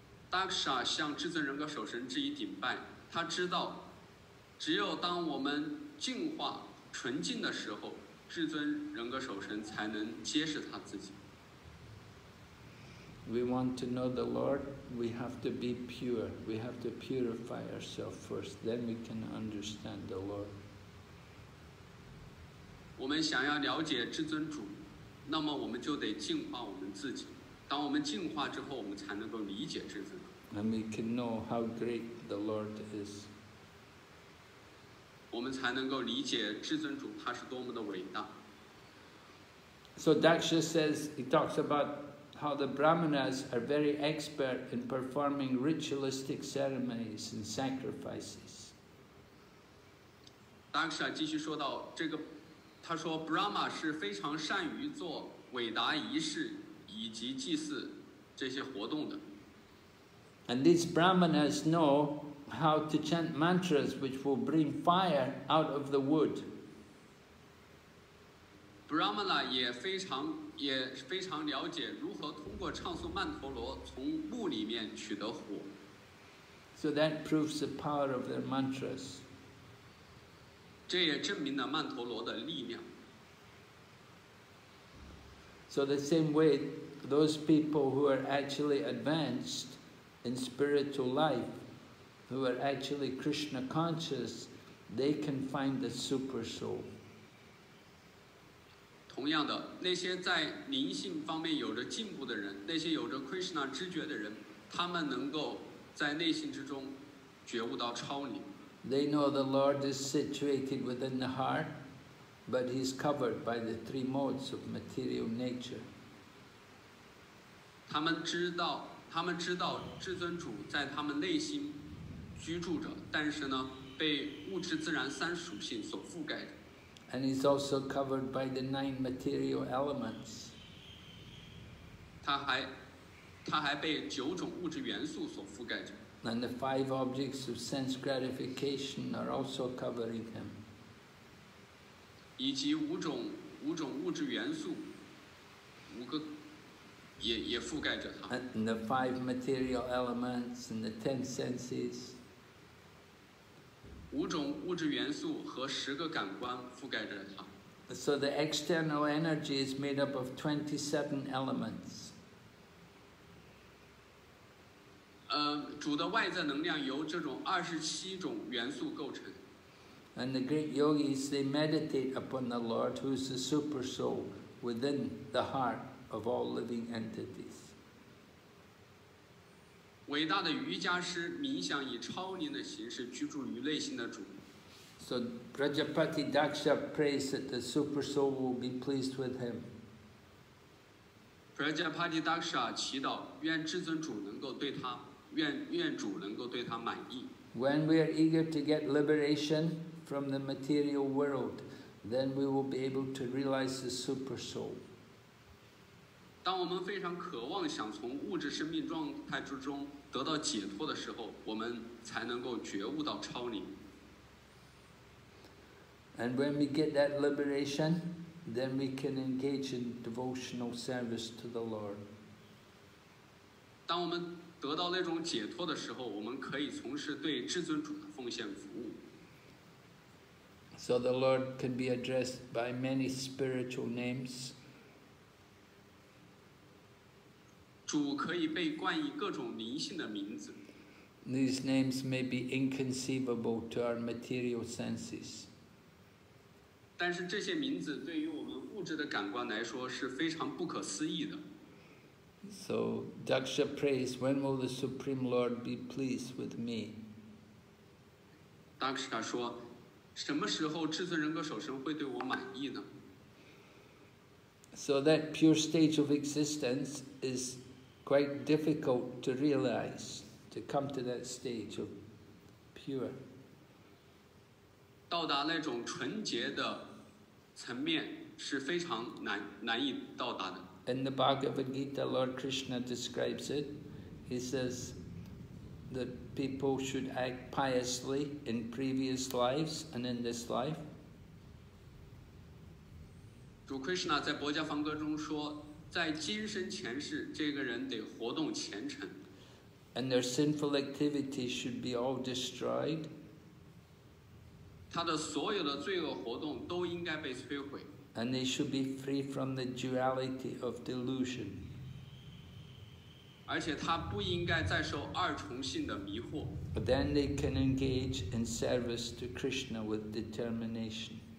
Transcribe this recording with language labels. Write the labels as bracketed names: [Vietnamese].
[Chinese] Daksha 向至尊人格守神致以顶拜，他知道只有当我们净化纯净的时候，至尊人格守神才能揭示他自己。 [English] We want to know the Lord, we have to be pure. We have to purify ourselves first, then we can understand the Lord. [Chinese] 我们想要了解至尊主，那么我们就得净化我们自己。当我们净化之后，我们才能够理解至尊主。 [English] And we can know how great the Lord is. [Chinese] 我们才能够理解至尊主他是多么的伟大。 [English] So Daksha says, he talks about. How the Brahmanas are very expert in performing ritualistic ceremonies and sacrifices. [Chinese] Daksha 继续说到这个，他说 Brahma 是非常善于做伟大仪式以及祭祀这些活动的。 [English] And these Brahmanas know how to chant mantras which will bring fire out of the wood. [Chinese] Brahmana 也非常了解如何通过唱诵曼陀罗从木里面取得火。 [English] So that proves the power of their mantras. [Chinese] 这也证明了曼陀罗的力量。 [English] So the same way, those people who are actually advanced in spiritual life, who are actually Krishna conscious, they can find the super soul. [Chinese] 同样的，那些在灵性方面有着进步的人，那些有着 Krishna 知觉的人，他们能够在内心之中觉悟到超灵。 [English] They know the Lord is situated within the heart, but he's covered by the three modes of material nature. [Chinese] 他们知道至尊主在他们内心居住着，但是呢，被物质自然三属性所覆盖着。 [English] And he's also covered by the nine material elements. [Chinese] 他还被九种物质元素所覆盖着。 [English] And the five objects of sense gratification are also covering him. [Chinese] 以及五种物质元素，五个也覆盖着他。 [English] And the five material elements and the ten senses. [Chinese] 五种物质元素和十个感官覆盖着它。 [English] So the external energy is made up of 27 elements. [Chinese] 主的外在能量由这种27种元素构成。 [English] And the great yogis, they meditate upon the Lord, who is the super soul within the heart of all living entities. [Chinese] 伟大的瑜伽师冥想以超灵的形式居住于内心的主。 [English] So Prajapati Daksha prays that the super soul will be pleased with him. [Chinese] Prajapati Daksha 祈祷愿至尊主能够对他愿主能够对他满意。 [English] When we are eager to get liberation from the material world, then we will be able to realize the super soul. [Chinese] 当我们非常渴望想从物质生命状态之中得到解脱的时候，我们才能够觉悟到超灵。 [English] And when we get that liberation, then we can engage in devotional service to the Lord. [Chinese] 当我们得到那种解脱的时候，我们可以从事对至尊主的奉献服务。 [English] So the Lord can be addressed by many spiritual names. [Chinese] 主可以被冠以各种灵性的名字。 [English] These names may be inconceivable to our material senses. [Chinese] 但是这些名字对于我们物质的感官来说是非常不可思议的。 [English] So Daksha prays, when will the Supreme Lord be pleased with me? [Chinese] Daksha 说，什么时候至尊人格守神会对我满意呢？ [English] So that pure stage of existence is. Quite difficult to realize, to come to that stage of pure. [Chinese] 到达那种纯洁的层面是非常难以到达的。 [English] In the Bhagavad Gita, Lord Krishna describes it. He says that people should act piously in previous lives and in this life. [Chinese] 主 Krishna 在《薄伽梵歌》中说。在今生前世，这个人得活动虔诚。 [English] And their sinful activity should be all destroyed. [Chinese] 他的所有的罪恶活动都应该被摧毁。 [English] And they should be free from the duality of delusion. [Chinese] 而且他不应该再受二重性的迷惑。 [English] But then they can engage in service to Krishna with determination.